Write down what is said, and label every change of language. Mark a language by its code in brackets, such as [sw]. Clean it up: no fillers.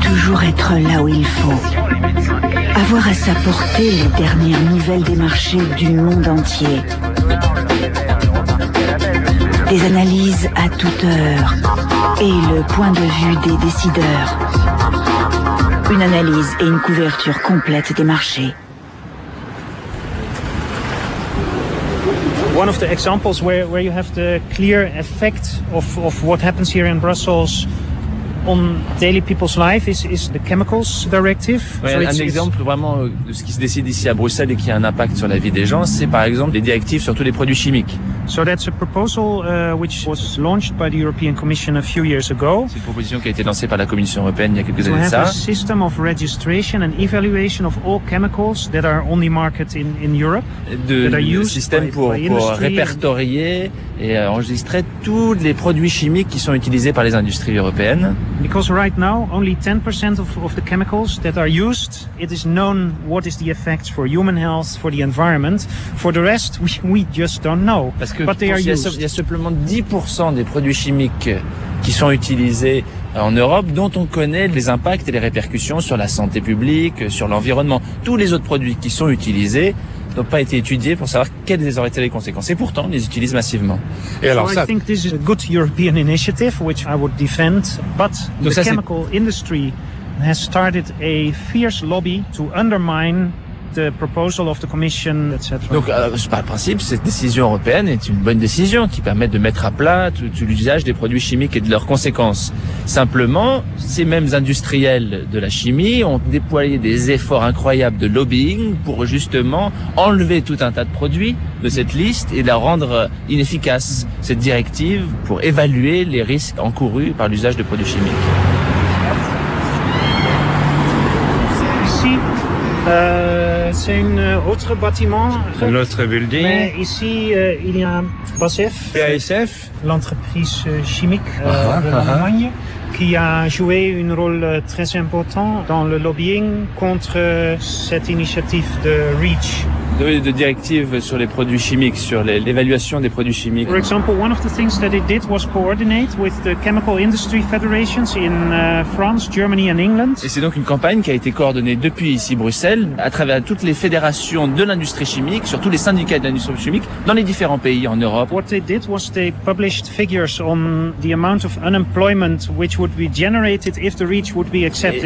[fr] Toujours être là où il faut. Avoir à sa portée les dernières nouvelles des marchés du monde entier. Des analyses à toute heure et le point de vue des décideurs. Une analyse et une couverture complète des marchés. [en] One of the examples where you have the clear effect of what happens here in Brussels on daily people's life is the chemicals directive. [fr] Ouais, so un exemple vraiment de ce qui se décide ici à Bruxelles et qui a un impact sur la vie des gens, c'est par exemple les directives sur tous les produits chimiques. [en] So that's a proposal which was launched by the European Commission a few years ago. [fr] C'est une proposition qui a été lancée par la Commission européenne il y a quelques années. [en] To have a system of registration and evaluation of all chemicals that are on the market in Europe. [fr] De système pour répertorier et enregistrer tous les produits chimiques qui sont utilisés par les industries européennes. [en] Because right now only 10% of the chemicals that are used, it is known what is the effect for human health, for the environment. For the rest, we just don't know. [fr] Parce qu'il y a simplement 10% des produits chimiques qui sont utilisés en Europe dont on connaît les impacts et les répercussions sur la santé publique, sur l'environnement. Tous les autres produits qui sont utilisés n'ont pas été étudiés pour savoir quelles auraient été les conséquences. Et pourtant, on les utilise massivement. Et alors, ça... [en] I think this is a good European initiative, which I would defend. But the chemical industry has started a fierce lobby to undermine the proposal of the commission, etc. [fr] Donc, c'est pas le principe, cette décision européenne est une bonne décision qui permet de mettre à plat tout l'usage des produits chimiques et de leurs conséquences. Simplement, ces mêmes industriels de la chimie ont déployé des efforts incroyables de lobbying pour justement enlever tout un tas de produits de cette liste et la rendre inefficace, cette directive, pour évaluer les risques encourus par l'usage de produits chimiques. C'est un autre bâtiment. C'est notre building. Mais ici, il y a BASF. BASF. L'entreprise chimique de l'Allemagne, qui a joué un rôle très important dans le lobbying contre cette initiative de REACH. De directive sur les produits chimiques, sur l'évaluation des produits chimiques. [en] For example, one of the things that it did was coordinate with the chemical industry federations in France, Germany and England. [fr] Et c'est donc une campagne qui a été coordonnée depuis ici Bruxelles à travers toutes les fédérations de l'industrie chimique, sur tous les syndicats de l'industrie chimique dans les différents pays en Europe. [en] What they did was they published figures on the amount of unemployment which would be generated if the REACH would be accepted.